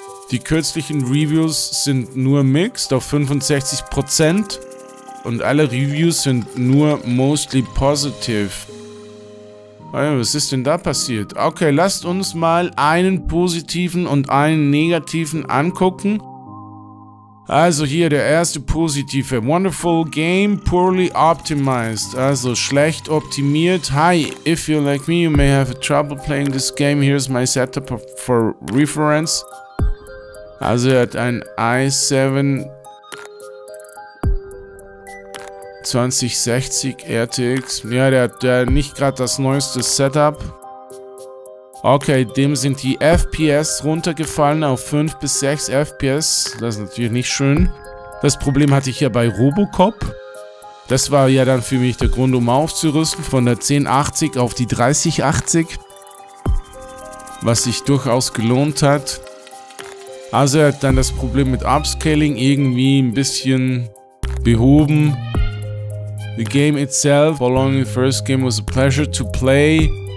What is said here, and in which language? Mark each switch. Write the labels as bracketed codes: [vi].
[de] Die kürzlichen Reviews sind nur mixed auf 65% und alle Reviews sind nur [en] mostly positive. [de] Oi, was ist denn da passiert? Okay, lasst uns mal einen positiven und einen negativen angucken. Also hier der erste positive. [en] Wonderful game, poorly optimized. [de] Also schlecht optimiert. [en] Hi, if you're like me, you may have trouble playing this game. Here's my setup for reference. [de] Also er hat ein i7 2060 RTX. Ja, der hat nicht gerade das neueste Setup. Okay, dem sind die FPS runtergefallen auf 5 bis 6 FPS. Das ist natürlich nicht schön. Das Problem hatte ich ja bei Robocop. Das war ja dann für mich der Grund, um aufzurüsten von der 1080 auf die 3080. Was sich durchaus gelohnt hat. Also er hat dann das Problem mit Upscaling irgendwie ein bisschen behoben. [en] The game itself, following the first game, was a pleasure to play.